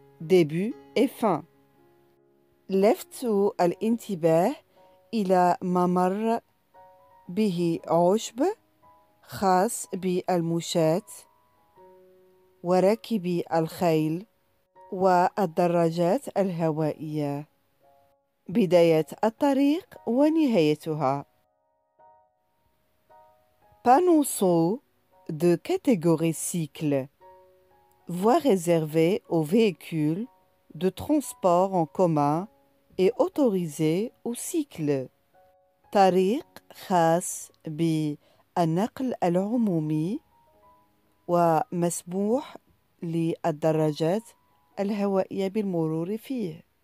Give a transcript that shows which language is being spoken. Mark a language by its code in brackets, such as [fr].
[fr] Début et fin. [ar] لفت الانتباه إلى ممر به عشب خاص بالمشاة وراكبي الخيل والدراجات الهوائية. بداية الطريق ونهايتها. [fr] Panneau de catégorie cycle. Voie réservée aux véhicules de transport en commun et autorisée aux cycles. [ar] طريق خاص بالنقل العمومي ومسموح للدراجات الهوائية بالمرور فيه.